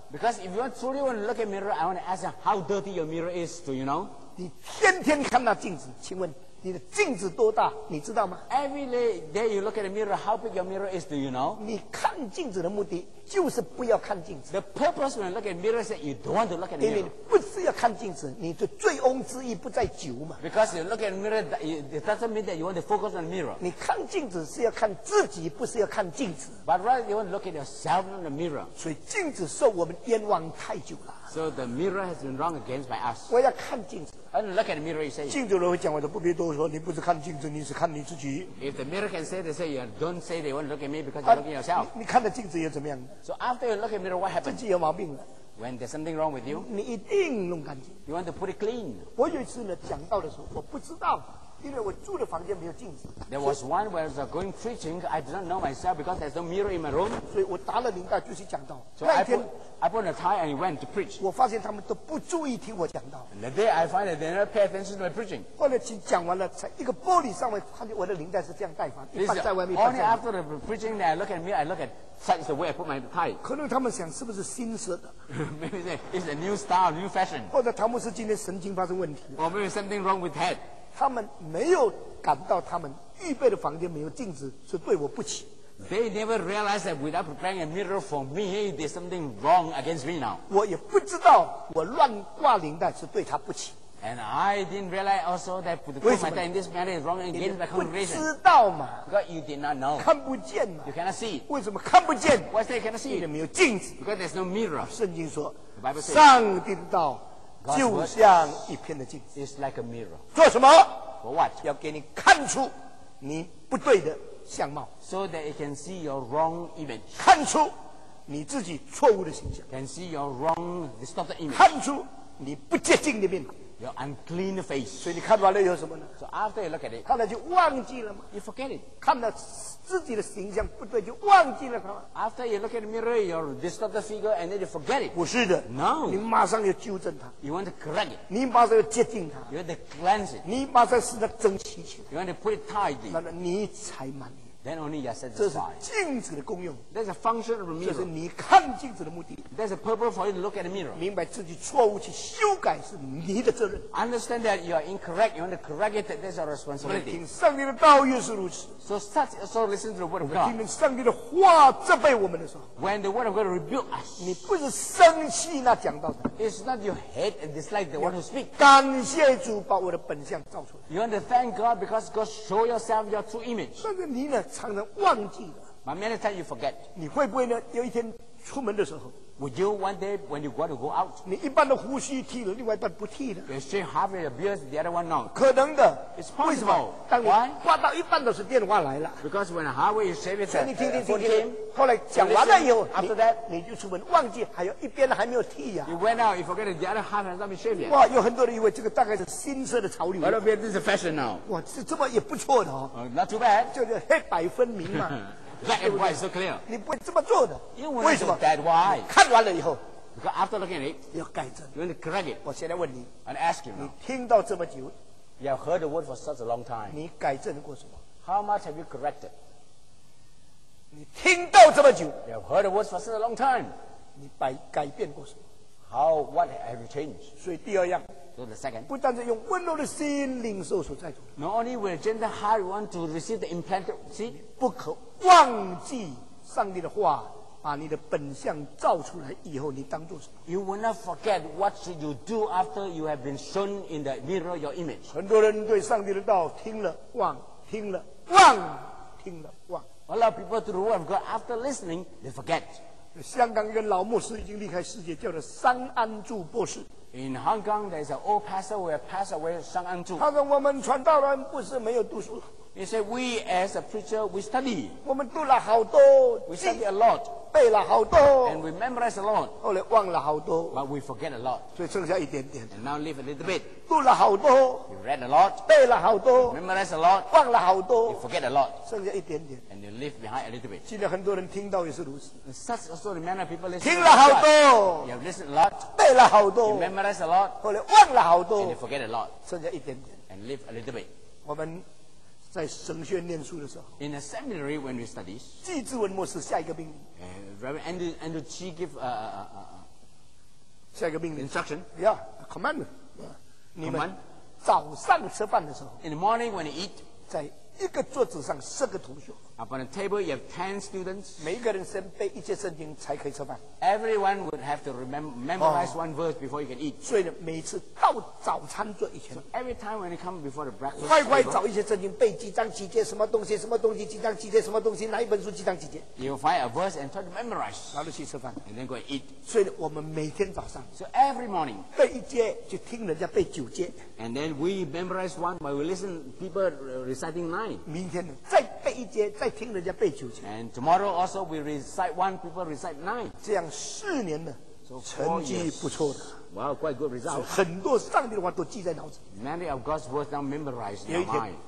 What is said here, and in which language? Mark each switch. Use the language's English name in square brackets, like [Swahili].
[English] ？Because if you truly want to look at mirror, I want to ask you how dirty your mirror is. Do you know? [Chinese] 你天天看那镜子，请问你的镜子多大，你知道吗 [English] ？Every day you look at the mirror, how big your mirror is, do you know? [Chinese] 你看镜子的目的就是不要看镜子。 [English] The purpose when you look at the mirror is that you don't want to look at the mirror. [Chinese] 因为不是要看镜子，你的醉翁之意不在酒嘛。 [English] Because you look at the mirror, it doesn't mean that you want to focus on the mirror. [Chinese] 你看镜子是要看自己，不是要看镜子。 [English] But rather you want to look at yourself in the mirror. [Chinese] 所以镜子受我们冤枉太久了。 [English] So the mirror has been wrong against by us. [Chinese] 我要看镜子。 [English] And look at the mirror, you say. [Chinese] 镜子人会讲，我都不必多说。你不是看镜子，你是看你自己。 [English] If the mirror can say, they say you don't say they won't look at me because you're looking yourself. [Chinese] 你看的镜子又怎么样 [English] ？So after you look at mirror, what happens? [Chinese] 自己有毛病了。 [English] When there's something wrong with you, [Chinese] 你一定弄干净。 [English] You want to put it clean. [Chinese] 我有一次呢讲到的时候，我不知道，因为我住的房间没有镜子。 [English] There was one where I was going preaching. I did not know myself because there's no mirror in my room. [Chinese] 所以我打了领带就去讲道。 So 那天。 [English] I put on a tie and went to preach. [Chinese] 我发现他们都不注意听我讲道。 [English] The day I find that they never pay attention to my preaching. [Chinese] 后来讲完了，一个玻璃上面看见我的领带是这样戴反，一半在外面。 [English] Only after the preaching, I look at me, I look at such the way I put my tie. [Chinese] 可能他们想是不是新式的 [English] ？Maybe they, it's a new style, new fashion. [Chinese] 或者他们是今天神经发生问题 [English] ？Or maybe something wrong with head. [Chinese] 他们没有感到他们预备的房间没有镜子是对我不起。 [English] They never realize that without preparing a mirror for me, there's something wrong against me now. [Chinese] 我也不知道我乱挂领带是对他不起。 [English] And I didn't realize also that putting my tie in this manner is wrong against my congregation. [Chinese] 你不知道嘛 [English] ？Because you did not know. [Chinese] 看不见嘛 [English] ？You cannot see. [Chinese] 为什么看不见 [English] ？Why is that you cannot see? [Chinese] 因为没有镜子。 [English] Because there's no mirror. [Chinese] 圣经说 [English] ，The Bible says, [Chinese] 上帝的道就像一片的镜子。 [English] It's like a mirror. [Chinese] 做什么 [English] ？For what? [Chinese] 要给你看出。你不对的相貌。 [English] So that it can see your wrong image. [Chinese] 看出你自己错误的形象。 [English] Can see your wrong distorted image. [Chinese] 看出你不洁净的面貌。 [English] Your unclean face. [Chinese] 所以你看完了以后什么呢？ [English] So after you look at it, [Chinese] 看了就忘记了吗？ [English] You forget it. [Chinese] 看到自己的形象不对就忘记了吗？ [English] After you look at the mirror, your distorted figure, and then you forget it. [Chinese] 不是的。 [English] No. [Chinese] 你马上要纠正它。 [English] You want to correct it. [Chinese] 你马上要洁净它。 [English] You want to cleanse it. [Chinese] 你马上使它整齐起来。 [English] You want to put it tidy. [Chinese] 那你才满意。 [English] Then only you are satisfied. [Chinese] 这是镜子的功用。 [English] That's a function of the mirror. [Chinese] 这是你看镜子的目的。 [English] That's a purpose for you to look at the mirror. [Chinese] 明白自己错误去修改是你的责任。 [English] Understand that you are incorrect. You want to correct it. That's your responsibility. [Chinese] 听上帝的道也是如此。 [English] So listen to the word of God. [Chinese] 我听见上帝的话责备我们的时候。 [English] When the word of God rebuke us. [Chinese] 你不是生气那讲道的。 [English] It's not you hate and dislike the one who speak. [Chinese] 感谢主把我的本相照出来。 [English] You want to thank God because God show yourself your true image. [Chinese] 但是你呢常常忘记了。 [English] But many times you forget. [Chinese] 你会不会呢有一天出门的时候。 [English] Would you one day when you want to go out? [Chinese] 你一半的胡须剃了，另外一半不剃的。 [English] You shave half of your beard, the other one not. [Chinese] 可能的。 [English] It's possible. [Chinese] 当我挂到一半的时候，电话来了。 [English] Because when halfway you shave it, [Chinese] 你听听听听。后来讲完了以后 [English] ，after that [Chinese] 你就出门忘记，还有一边还没有剃呀。 [English] You went out, you forget the other half has not been shaved yet. [Chinese] 哇，有很多人以为这个大概是新式的潮流。 [English] What about this fashion now? [Chinese] 哇，这么也不错的哦。 [English] Not too bad. [Chinese] 就是黑白分明嘛。 [English] Black and white is so clear. [Chinese] 你不会这么做的。为什么 ？ [English] That why? [Chinese] 看完了以后 [English] ，because after looking at it, [Chinese] 要改正。 [English] You want to correct it. [Chinese] 我现在问你 [English] ，and ask you now. [Chinese] 你听到这么久 [English] ，you have heard the word for such a long time. [Chinese] 你改正过什么 [English] ？How much have you corrected? [Chinese] 你听到这么久 [English] ，you have heard the word for such a long time. [Chinese] 你改变过什么 [English] ？How what have you changed? [Chinese] 所以第二样。 [English] So the second, [Chinese] 不但是用温柔的心领受所在主。 [English] Not only will gentle heart want to receive the implanted seed, [Chinese] 不可忘记上帝的话，把你的本相照出来以后，你当做什么 [English] ？You will not forget what should you do after you have been shown in the mirror your image. [Chinese] 很多人对上帝的道听了忘，听了忘，听了忘。 [English] A lot of people to the word of God after listening they forget. [Chinese] 香港一个老牧师已经离开世界，叫做桑安柱博士。 [English] In Hong Kong, there is an old pastor who has passed away, Sang An Zhu. [Chinese] 他说我们传道人不是没有读书。 [English] He said, we as a preacher, we study. [Chinese] 我们读了好多。 [English] We study a lot. [Chinese] 背了好多。 [English] And we memorize a lot. [Chinese] 后来忘了好多。 [English] But we forget a lot. [Chinese] 所以剩下一点点。 [English] And now leave a little bit. [Chinese] 读了好多。 [English] You read a lot. [Chinese] 背了好多。 [English] Memorize a lot. [Chinese] 忘了好多。 [English] You forget a lot. [Chinese] 剩下一点点。 [English] And you leave behind a little bit. [Chinese] 现在很多人听到也是如此。 [English] Such also the many people listen. [Chinese] 听了好多。 [English] You have listened a lot. [Chinese] 背了好多。 [English] You memorize a lot. [Chinese] 后来忘了好多。 [English] And you forget a lot. [Chinese] 剩下一点点。 [English] And leave a little bit. [Chinese] 我们在神学院念书的时候 [English] ，In a seminary when we study， [Chinese] 季志文牧师下一个命令。 [English] Reverend Andrew Chi give [Chinese] 下一个命令 [English] instruction， yeah， commandment。 [Chinese] 你们早上吃饭的时候 [English] ，In the morning when you eat， [Chinese] 在一个桌子上十个同学 [English] ，Upon a table you have 10 students， [Chinese] 每个人先背一节圣经才可以吃饭。 [English] Everyone would have to memorize one verse before you can eat。 [Chinese] 所以每次到早餐桌以前 [English] ，So every time when you come before the breakfast， [Chinese] 乖乖找一些圣经背几章几节，什么东西什么东西，几章几节什么东西，哪一本书几章几节。 [English] You find a verse and try to memorize， [Chinese] 然后去吃饭 [English] ，and then go and eat。 [Chinese] 所以我们每天早上 [English] ，So every morning， [Chinese] 背一节就听人家背九节 [English] ，and then we memorize one but we listen people reciting nine。 [Chinese] 明天再背一节，再听人家背九节 [English] ，and tomorrow also we recite one people recite nine。 [Chinese] 这样。四年的成绩不错的 [English] well, quite good result. [Chinese] 很多上帝的话都记在脑子 [English] Many of God's words now memorized in your mind.